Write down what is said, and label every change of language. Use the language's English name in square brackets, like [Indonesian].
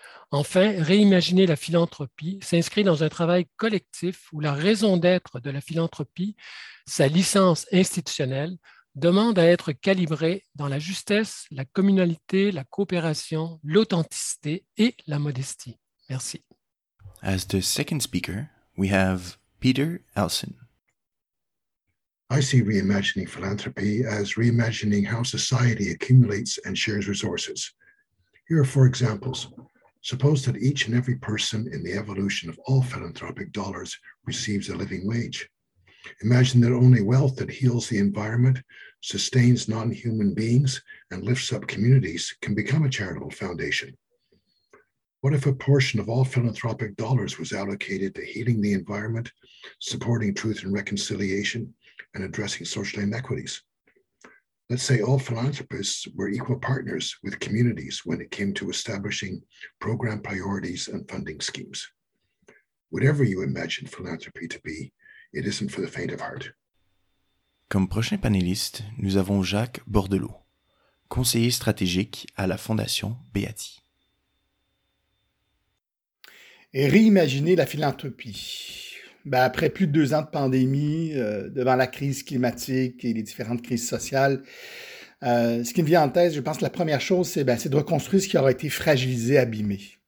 [French] Enfin, réimaginer la philanthropie s'inscrit dans un travail collectif où la raison d'être de la philanthropie, sa licence institutionnelle, demande à être calibrée dans la justesse, la communalité, la coopération, l'authenticité et la modestie. Merci. [English] As the second speaker, we have Peter Elson. I see reimagining philanthropy as reimagining how society accumulates and shares resources. Here are four examples. Suppose that each and every person in the evolution of all philanthropic dollars receives a living wage. Imagine that only wealth that heals the environment, sustains non-human beings, and lifts up communities can become a charitable foundation. What if a portion of all philanthropic dollars was allocated to healing the environment, supporting truth and reconciliation, and addressing social inequities? Let's say all philanthropists were equal partners with communities when it came to establishing program priorities and funding schemes. Whatever you imagine philanthropy to be, it isn't for the faint of heart. [French] Comme prochain panéliste, nous avons Jacques Bordelot, conseiller stratégique à la Fondation Beati. Et réimaginer la philanthropie. Ben, après plus de 2 ans de pandémie, devant la crise climatique et les différentes crises sociales, ce qui me vient en tête, je pense que la première chose, c'est de reconstruire ce qui aura été fragilisé, abîmé.